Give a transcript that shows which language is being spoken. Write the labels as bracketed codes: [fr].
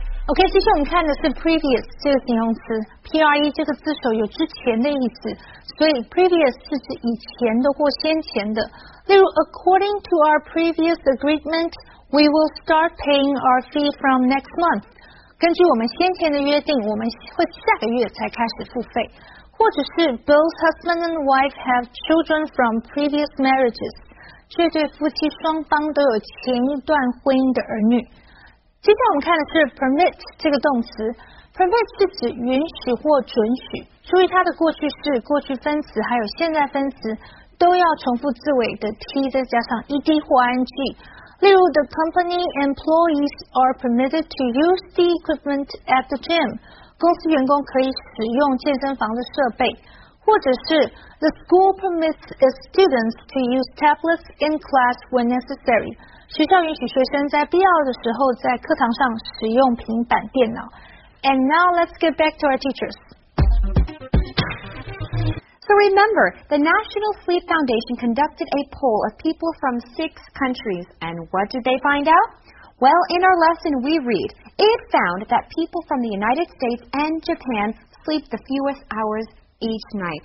[zh] OK, 其实我们看的是 previous 这个形容词 ,PRE 这个字首有之前的意思。所以 previous 是指以前的或先前的。例如 [en] ,according to our previous agreement, we will start paying our fee from next month. [zh] 根据我们先前的约定我们会下个月才开始付费。或者是 [en] both husband and wife have children from previous marriages. [zh] 这对夫妻双方都有前一段婚姻的儿女。接下来我们看的是 permit 这个动词 permit 是指允许或准许注意它的过去式过去分词还有现在分词都要重复字尾的 t 再加上 ed 或 ing 例如 [en] the company employees are permitted to use the equipment at the gym [zh] 公司员工可以使用健身房的设备或者是 [en] the school permits its students to use tablets in class when necessary [zh] 学校允许学生在必要的时候在课堂上使用平板电脑。 [en] And now let's get back to our teachers. So remember, the National Sleep Foundation conducted a poll of people from 6 countries. And what did they find out? Well, in our lesson we read, it found that people from the United States and Japan sleep the fewest hours each night.